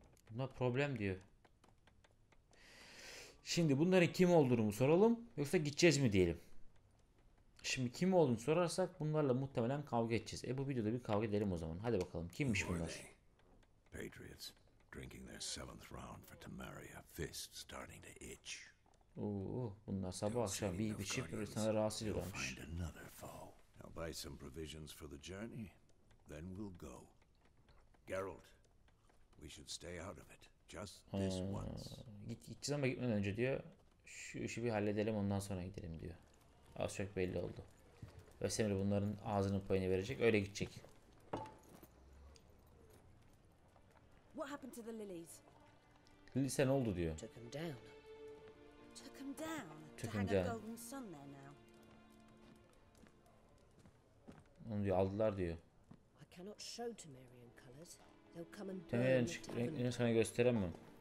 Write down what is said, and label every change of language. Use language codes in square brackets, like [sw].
[tr] Bunlar problem diyor. Şimdi bunların kim olduğunu mu soralım yoksa gideceğiz mi diyelim. Şimdi kim olduğunu sorarsak bunlarla muhtemelen kavga edeceğiz. Bu videoda bir kavga edelim o zaman. Hadi bakalım kimmiş bunlar? [en] Patriots drinking their seventh round for Temeria, fist starting to itch. [tr] Oo, bunlar sabah akşam bir içip sana rahatsız ediyorlarmış. [en] I'll buy some provisions for the journey, then we'll go. Geralt, we should stay out of it. Just this once. [tr] Gideceğiz ama gitmeden önce diyor. Şu işi bir halledelim ondan sonra gidelim diyor. Az çok belli oldu. Vesemir bunların ağzının payını verecek. Öyle gidecek. [en] What happened to the lilies? [tr] Lilies'e ne oldu diyor. [en] Took them down. Took them down. Took them down. To hang a golden sun there now. [tr] Onu diyor aldılar diyor. [en] I cannot show Temerian colors. [tr] Temerian renklerini sana gösteremem.